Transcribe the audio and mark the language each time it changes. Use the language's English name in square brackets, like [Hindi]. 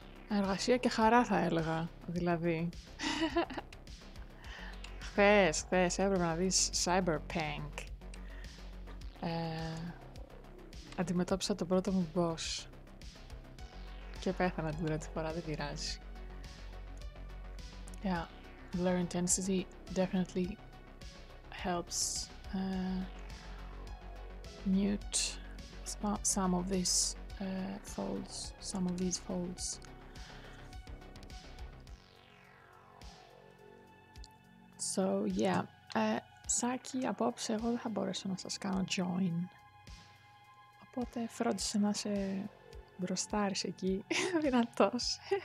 [Greek] Εργασία και χαρά θα έλεγα, δηλαδή. Χθες έπρεπε να δεις Cyberpunk. Αντιμετώπισα τον πρώτο μου boss. Και πέθανα την πρώτη φορά, δεν πειράζει. [English] Yeah, blur intensity definitely helps mute some of these folds, some of these folds. [Greek] So yeah, Saki, απόψε εγώ δεν θα μπορέσω να σας κάνω join. Οπότε φρόντισε να σε μπροστάρεις εκεί, δυνατός.